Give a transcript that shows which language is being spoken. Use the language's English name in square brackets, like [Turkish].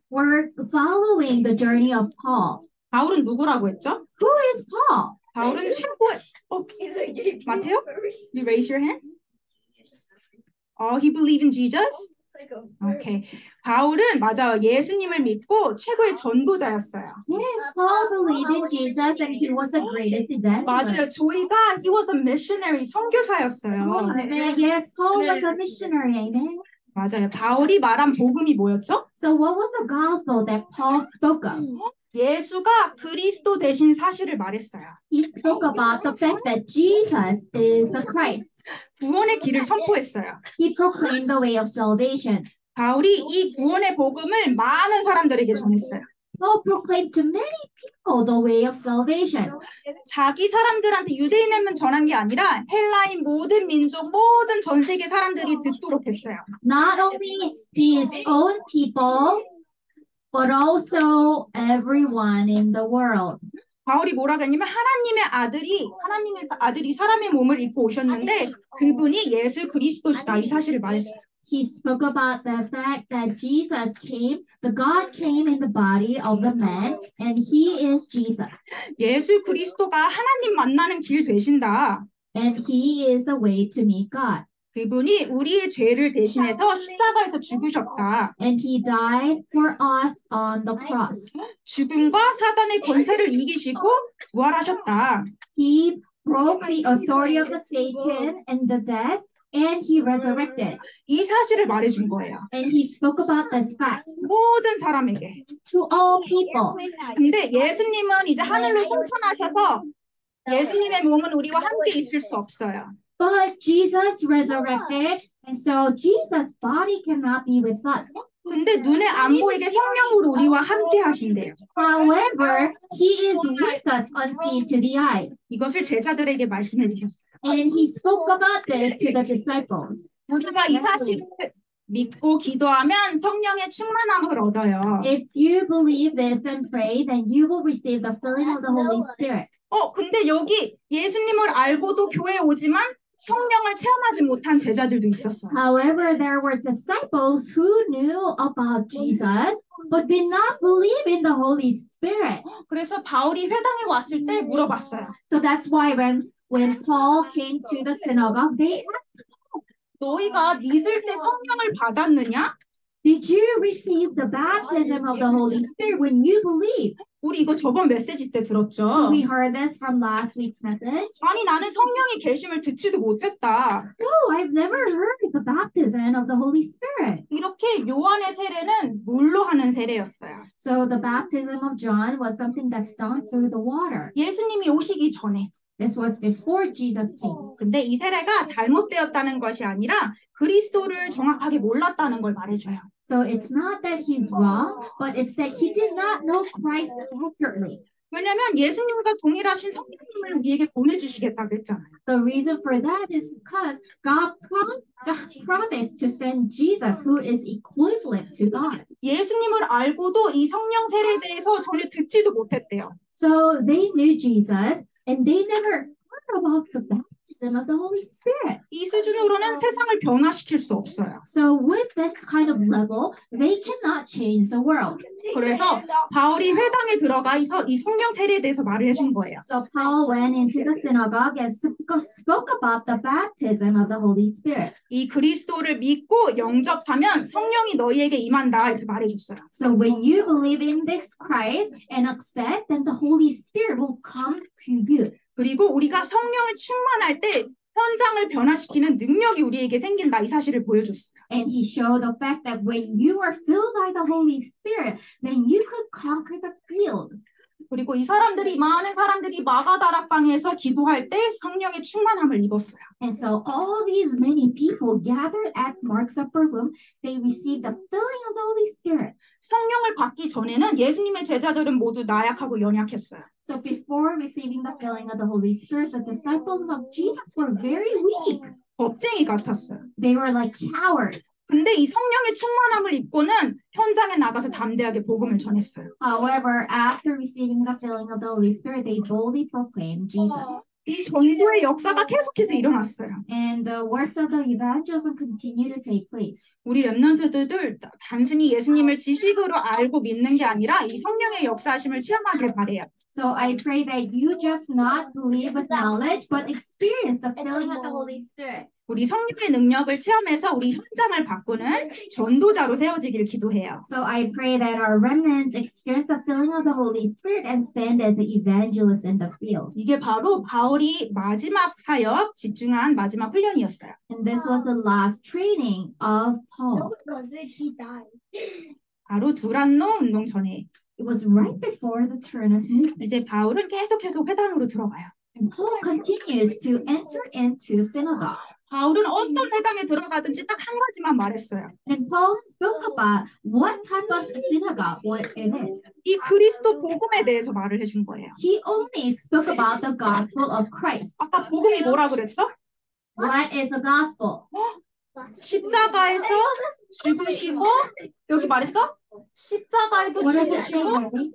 [English] We're following the journey of Paul. [Korean] 바울은 누구라고 했죠? [English] Who is Paul? [Korean] 바울은 최고의... 어, 마테오? [English] You raise your hand? Oh, he believed in Jesus? Okay. [Korean] 바울은, 맞아요. 예수님을 믿고 최고의 전도자였어요. [English] Yes, Paul believed in Jesus and he was the greatest evangelist. [Korean] 맞아요. [English] 조이가, he was a missionary, [Korean] 선교사였어요. [English] Yes, Paul was a missionary, amen. [Korean] 맞아요. 바울이 말한 복음이 뭐였죠? [English] So what was the gospel that Paul spoke of? [Korean] 예수가 그리스도 되신 사실을 말했어요. [English] He spoke about the fact that Jesus is the Christ. [Korean] 구원의 길을 선포했어요. [English] He proclaimed the way of salvation. [Korean] 바울이 이 구원의 복음을 많은 사람들에게 전했어요. [English] Paul proclaimed to many people the way of salvation. [Korean] 자기 사람들한테 유대인에만 전한 게 아니라 헬라인 모든 민족 모든 전 세계 사람들이 듣도록 했어요. [English] Not only his own people, but also everyone in the world. [Korean] 바울이 뭐라 그랬냐면 하나님의 아들이 사람의 몸을 입고 오셨는데 그분이 예수 그리스도시다 이 사실을 말했어요. [English] He spoke about the fact that Jesus came, the God came in the body of the man, and he is Jesus. [Korean] 예수 그리스도가 하나님 만나는 길 되신다. [English] And he is a way to meet God. [Korean] 그분이 우리의 죄를 대신해서 십자가에서 죽으셨다. [English] And he died for us on the cross. [Korean] 죽음과 사단의 권세를 이기시고 부활하셨다. [English] He broke the authority of the Satan and the death. And he resurrected. [Korean] 이 사실을 말해준 거예요. [English] And he spoke about this fact. [Korean] 모든 사람에게. [English] To all people. [Korean] 근데 예수님은 이제 하늘로 승천하셔서 예수님의 몸은 우리와 함께 있을 수 없어요. [English] But Jesus resurrected, and so Jesus' body cannot be with us. [Korean] 근데 눈에 안 보이게 성령으로 우리와 함께 하신대요. [English] However, he is with us unseen to the eye. [Korean] 이것을 제자들에게 말씀해 주셨어요. [English] And he spoke about this to the disciples. [Korean] 우리가 이 사실을 믿고 기도하면 성령의 충만함을 얻어요. [English] If you believe this and pray, then you will receive the filling of the Holy Spirit. [Korean] 어, 근데 여기 예수님을 알고도 교회에 오지만 성령을 체험하지 못한 제자들도 있었어요. [English] However, there were disciples who knew about Jesus but did not believe in the Holy Spirit. [Korean] 그래서 바울이 회당에 왔을 때 물어봤어요. [English] So that's why when Paul came to the synagogue, they asked, [Korean] 너희가 믿을 때 성령을 받았느냐? [English] Did you receive the baptism of the Holy Spirit when you believe? [Korean] 우리 이거 저번 메시지 때 들었죠. [English] So we heard this from last week's message. [Korean] 아니 나는 성령의 계심을 듣지도 못했다. [English] No, I've never heard the baptism of the Holy Spirit. [Korean] 이렇게 요한의 세례는 물로 하는 세례였어요. [English] So the baptism of John was something that's done through the water. [Korean] 예수님이 오시기 전에. [English] This was before Jesus came. [Korean] 근데 이 세례가 잘못되었다는 것이 아니라 그리스도를 정확하게 몰랐다는 걸 말해줘요. [English] So it's not that he's wrong, but it's that he did not know Christ accurately. [Korean] 왜냐면 예수님과 동일하신 성령님을 우리에게 보내주시겠다 그랬잖아요. [English] The reason for that is because God promised to send Jesus, who is equivalent to God. [Korean] 예수님을 알고도 이 성령 세례에 대해서 전혀 듣지도 못했대요. [English] So they knew Jesus, and they never heard about the baptism of the Holy Spirit. [Korean] 이 수준으로는 세상을 변화시킬 수 없어요. [English] So with this kind of level, they cannot change the world. [Korean] 그래서 바울이 회당에 들어가서 이 성령 세례에 대해서 말을 해준 거예요. [English] So Paul went into the synagogue and spoke about the baptism of the Holy Spirit. [Korean] 이 그리스도를 믿고 영접하면 성령이 너희에게 임한다 이렇게 말해줬어요. [English] So when you believe in this Christ and accept, then the Holy Spirit will come to you. [Korean] 그리고 우리가 성령을 충만할 때 현장을 변화시키는 능력이 우리에게 생긴다 이 사실을 보여줬어요. [English] And he showed the fact that when you are filled by the Holy Spirit, then you could conquer the field. [Korean] 그리고 이 사람들이 많은 사람들이 마가다락방에서 기도할 때 성령의 충만함을 입었어요. [English] And so all these many people gathered at Mark's upper room, they received the filling of the Holy Spirit. [Korean] 성령을 받기 전에는 예수님의 제자들은 모두 나약하고 연약했어요. [English] So before receiving the filling of the Holy Spirit, the disciples of Jesus were very weak. [Korean] 겁쟁이 같았어요. [English] They were like cowards. [Korean] 근데 이 성령의 충만함을 입고는 현장에 나가서 담대하게 복음을 전했어요. [English] However, after receiving the filling of the Holy Spirit, they boldly proclaimed Jesus. [Korean] 이 전도의 역사가 계속해서 일어났어요. [English] And the works of the evangelism continue to take place. [Korean] 우리 렘넌트들 단순히 예수님을 지식으로 알고 믿는 게 아니라 이 성령의 역사하심을 체험하길 바래요. [English] So I pray that you just not believe with knowledge, but experience the filling of the Holy Spirit. [Korean] 우리 성령의 능력을 체험해서 우리 현장을 바꾸는 전도자로 세워지길 기도해요. [English] So I pray that our remnants experience the filling of the Holy Spirit and stand as an evangelist in the field. [Korean] 이게 바로 바울이 마지막 사역 집중한 마지막 훈련이었어요. [English] And this was the last training of Paul. No, was it? He died. [Korean] 바로 두란노 운동 전에. [English] It was right before the Tyrannus movement. [Korean] 이제 바울은 계속해서 회당으로 들어가요. [English] And Paul continues to enter into synagogue. [Korean] 바울은 어떤 회당에 들어가든지 딱 한 가지만 말했어요. [English] And Paul spoke about what type of synagogue it is. [Korean] 이 그리스도 복음에 대해서 말을 해준 거예요. [English] He only spoke about the gospel of Christ. [Korean] 아까 복음이 뭐라 그랬죠? [English] What is the gospel? [Korean] 십자가에서 죽으시고 여기 말했죠? 십자가에서 죽으시고